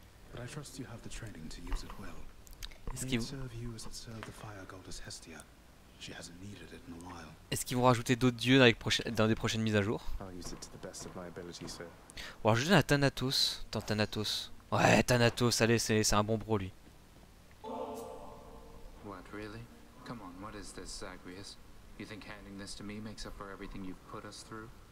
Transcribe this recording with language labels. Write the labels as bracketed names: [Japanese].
[English] But I trust you have the training to use it well. May it serve you as it served the fire goddess Hestia. She hasn't needed it in a while. [French] Est-ce qu'ils vont rajouter d'autres dieux dans des prochaines mises à jour? [English] I'll use it to the best of my ability, sir. [French] On va rajouter un Thanatos. Attends, Thanatos. Ouais, Thanatos, allez, c'est un bon bro, lui. [English] What, really? Come on, what is this, Zagreus? You think handing this to me makes up for everything you've put us through?